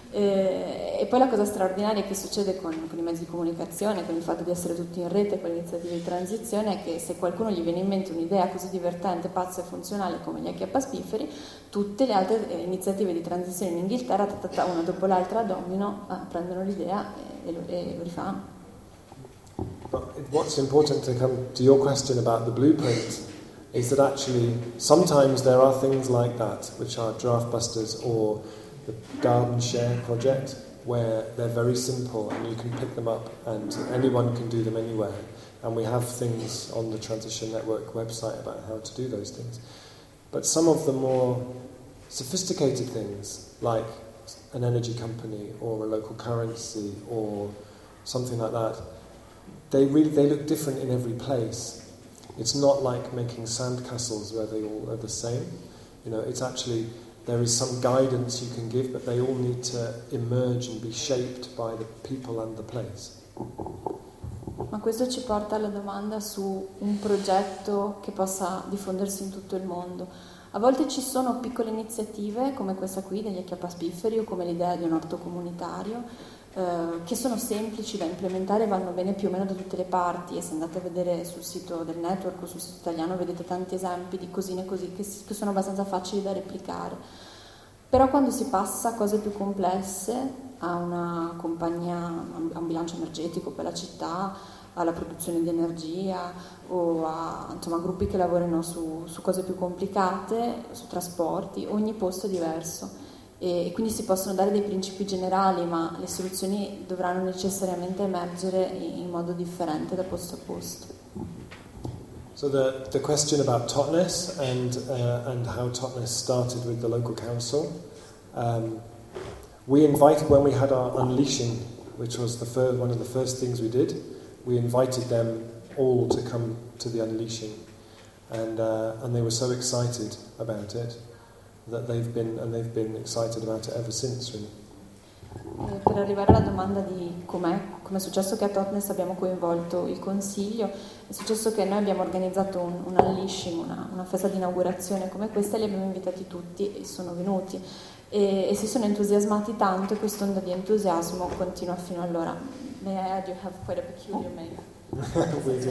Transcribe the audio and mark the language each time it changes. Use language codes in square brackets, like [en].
[it] E poi la cosa straordinaria che succede con i mezzi di comunicazione, con il fatto di essere tutti in rete, con le iniziative di transizione, è che se qualcuno gli viene in mente un'idea così divertente, pazza e funzionale come gli acchiappaspifferi, tutte le altre iniziative di transizione in Inghilterra, una dopo l'altra, domino, prendono l'idea e lo rifanno. [en] But what's important to come to your question about the blueprint is that actually sometimes there are things like that which are draft busters or the garden share project, where they're very simple and you can pick them up and anyone can do them anywhere, and we have things on the Transition Network website about how to do those things. But some of the more sophisticated things, like an energy company or a local currency or something like that, they look different in every place. It's not like making sandcastles where they all are the same, you know. It's actually, there is some guidance you can give, but they all need to emerge and be shaped by the people and the place. [it] Ma questo ci porta alla domanda su un progetto che possa diffondersi in tutto il mondo. A volte ci sono piccole iniziative come questa qui degli acchiappaspifferi o come l'idea di un orto comunitario che sono semplici da implementare, vanno bene più o meno da tutte le parti, e se andate a vedere sul sito del network o sul sito italiano vedete tanti esempi di cosine così che sono abbastanza facili da replicare. Però quando si passa a cose più complesse, a una compagnia, a un bilancio energetico per la città, alla produzione di energia o a, insomma, gruppi che lavorano su cose più complicate, su trasporti, ogni posto è diverso. E quindi si possono dare dei principi generali, ma le soluzioni dovranno necessariamente emergere in modo differente da posto a posto. [en] So the question about Totnes and how Totnes started with the local council. We invited, when we had our unleashing, which was one of the first things we did, we invited them all to come to the unleashing, and they were so excited about it. That they've been excited about it ever since, really. [it] Per arrivare alla domanda di com'è successo che a Totnes abbiamo coinvolto il consiglio, è successo che noi abbiamo organizzato un unleashing, una festa di inaugurazione come questa, e li abbiamo invitati tutti e sono venuti e si sono entusiasmati tanto, e questa onda di entusiasmo continua fino allora. [en] May I add, you have quite a peculiar name.